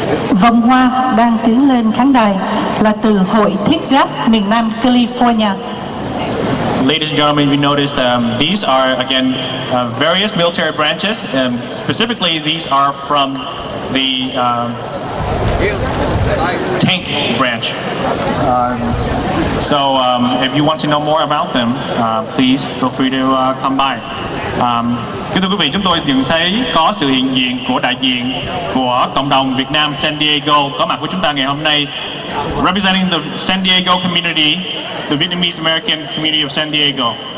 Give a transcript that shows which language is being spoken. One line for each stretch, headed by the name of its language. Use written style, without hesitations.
Vietnamese: Vòng hoa đang tiến lên khán đài là từ Hội Thiết giáp miền Nam California.
English: Ladies and gentlemen, you noticed these are again various military branches, and specifically these are from the tank branch. So if you want to know more about them, please feel free to come by.
Vietnamese: Kính thưa quý vị, chúng tôi nhận thấy có sự hiện diện của đại diện của cộng đồng Việt Nam San Diego có mặt của chúng ta ngày hôm nay,
English: representing the San Diego community, the Vietnamese American community of San Diego.